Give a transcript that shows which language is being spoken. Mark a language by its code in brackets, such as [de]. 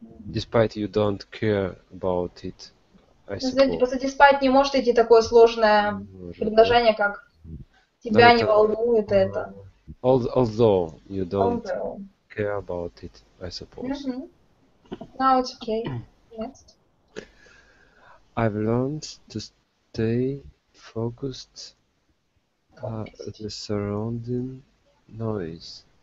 [en] Despite you don't care about it, I suppose. [ru] Знаете, просто despite не может идти такое сложное предложение, как тебя не волнует это. [en] Although you don't care about it, I suppose. Mm-hmm. Now it's okay. Next. I've learned to stay focused at the surrounding noise.